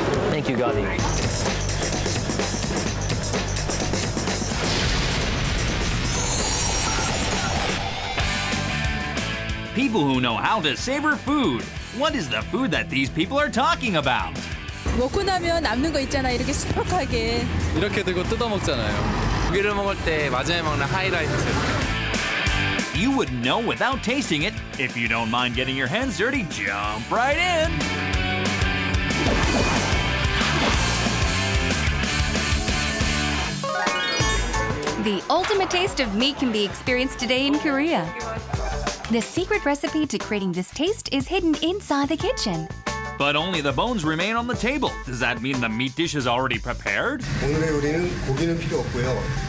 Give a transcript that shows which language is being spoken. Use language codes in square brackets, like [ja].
[en] Thank you, Gadi. People who know how to savor food. What is the food that these people are talking about? [ko] 먹고 나면 남는 거 있잖아, 이렇게 수북하게. 이렇게 들고 뜯어 먹잖아요. 고기를 먹을 때 마지막에 먹는 하이라이트. [en] You wouldn't know without tasting it. If you don't mind getting your hands dirty, jump right in. The ultimate taste of meat can be experienced today in Korea. The secret recipe to creating this taste is hidden inside the kitchen. But only the bones remain on the table. Does that mean the meat dish is already prepared? [ko] 오늘의 요리는 고기는 필요 없고요.